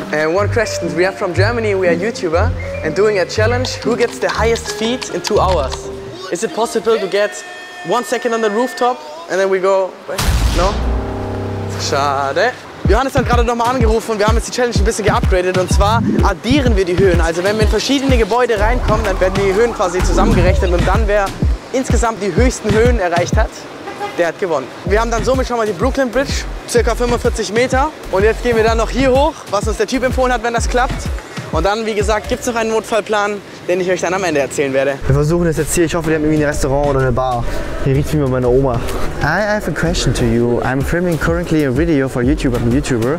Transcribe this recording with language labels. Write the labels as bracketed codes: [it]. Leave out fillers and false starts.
[en] One question, we are from Germany, we are YouTuber and doing a challenge, who gets the highest feed in 2 hours? Is it possible to get 1 second on the rooftop and then we go, no? [de] Schade. Johannes hat gerade nochmal angerufen und wir haben jetzt die Challenge ein bisschen geupgradet und zwar addieren wir die Höhen. Also wenn wir in verschiedene Gebäude reinkommen, dann werden die Höhen quasi zusammengerechnet und dann wer insgesamt die höchsten Höhen erreicht hat, der hat gewonnen. Wir haben dann somit schon mal die Brooklyn Bridge, ca. 45 Meter und jetzt gehen wir dann noch hier hoch, was uns der Typ empfohlen hat, wenn das klappt. Und dann, wie gesagt, gibt es noch einen Notfallplan, den ich euch dann am Ende erzählen werde. Wir versuchen das jetzt hier. Ich hoffe, die haben irgendwie ein Restaurant oder eine Bar. Hier riecht wie bei meiner Oma. [en] I have a question to you. I'm filming currently a video for YouTube. I'm a YouTuber.